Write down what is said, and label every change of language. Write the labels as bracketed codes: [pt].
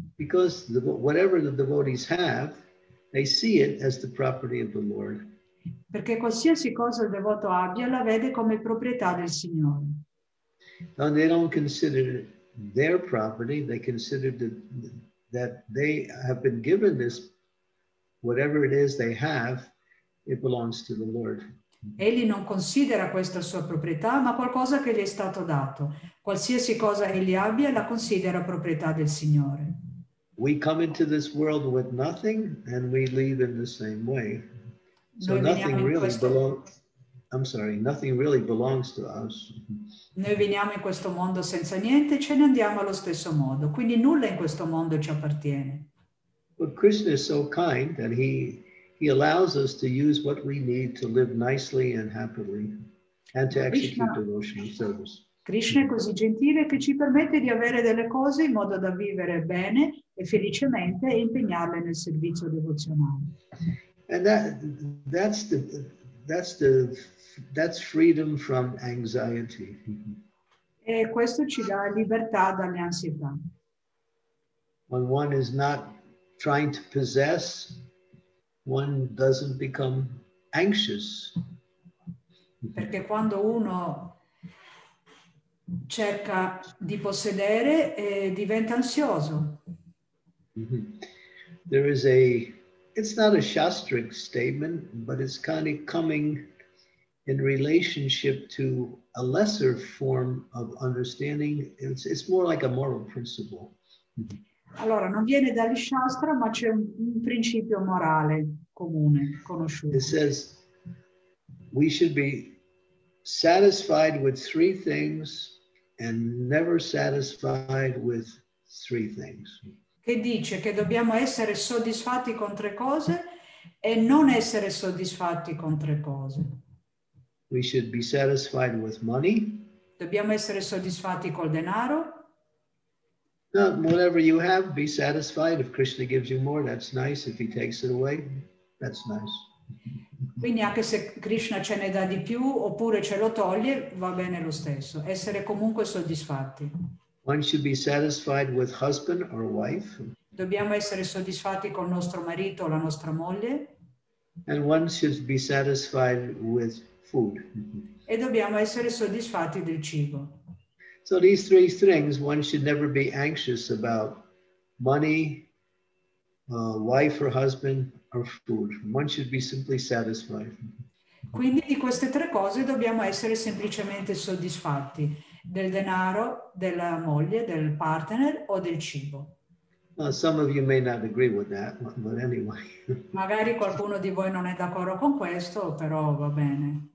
[en] Because whatever the devotees have, they see it as the property of the Lord. [it] Perché qualsiasi cosa il devoto abbia la vede come proprietà del Signore. [en] And they don't consider it their property. They consider that they have been given this, whatever it is they have, it belongs to the Lord. [it] Egli non considera questa sua proprietà, ma qualcosa che gli è stato dato. Qualsiasi cosa egli abbia la considera proprietà del Signore. [en] We come into this world with nothing and we leave in the same way. So nothing really belongs. I'm sorry, nothing really belongs to us. [it] Noi veniamo in questo mondo senza niente e ce ne andiamo allo stesso modo. Quindi nulla in questo mondo ci appartiene. [en] But Krishna is so kind that he allows us to use what we need to live nicely and happily and to execute devotional service. [it] Krishna è così gentile che ci permette di avere delle cose in modo da vivere bene e felicemente e impegnarle nel servizio devozionale. [en] And that's freedom from anxiety. [it] E questo ci dà libertà dalle ansietà. [en] When one is not trying to possess, one doesn't become anxious. [it] Perché quando uno cerca di possedere e diventa ansioso. Mm-hmm. [en] There is a, it's not a Shastric statement, but it's kind of coming in relationship to a lesser form of understanding. It's more like a moral principle. [it] Allora, non viene dagli Shastra, ma c'è un principio morale comune, conosciuto. [en] It says, we should be satisfied with three things and never satisfied with three things. [it] Che dice che dobbiamo essere soddisfatti con tre cose e non essere soddisfatti con tre cose. [en] We should be satisfied with money. [it] Dobbiamo essere soddisfatti col denaro. [en] No, whatever you have, be satisfied. If Krishna gives you more, that's nice. If he takes it away, that's nice. [it] Quindi anche se Krishna ce ne dà di più oppure ce lo toglie, va bene lo stesso. Essere comunque soddisfatti. [en] One should be satisfied with husband or wife. [it] Dobbiamo essere soddisfatti col nostro marito o la nostra moglie. [en] And one should be satisfied with food. [it] E dobbiamo essere soddisfatti del cibo. [en] So these three things, one should never be anxious about money, wife or husband, or food. One should be simply satisfied. [it] Quindi di queste tre cose dobbiamo essere semplicemente soddisfatti. Del denaro, della moglie, del partner o del cibo. [en] Well, some of you may not agree with that, but anyway. [it] Magari qualcuno di voi non è d'accordo con questo, però va bene.